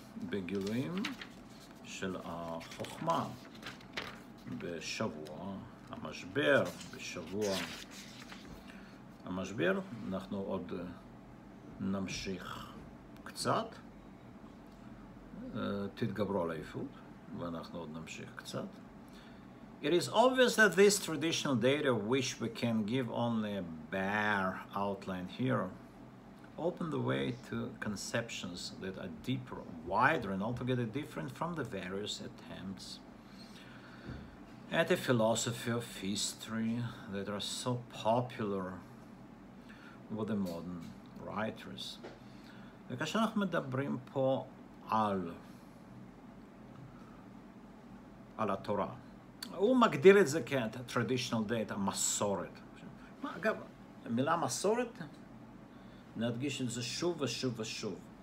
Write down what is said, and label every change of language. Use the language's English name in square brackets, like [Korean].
[Hebrew] בגילויים של החוכמה. בשבוע המשבר, בשבוע המשבר. אנחנו עוד נמשיך קצת. תתגברו על העיפות, ואנחנו עוד נמשיך קצת. [English] It is obvious that this traditional data, which we can give only a bare outline here, open the way to conceptions that are deeper, wider, and altogether different from the various attempts at a philosophy of history that are so popular with the modern writers. [Hebrew] וכאשר אנחנו מדברים פה על התורה, הוא מגדיר את זה כ- [English] traditional data, [Hebrew] מסורת. אגב, המילה מסורת, נדגיש את זה שוב ושוב ושוב.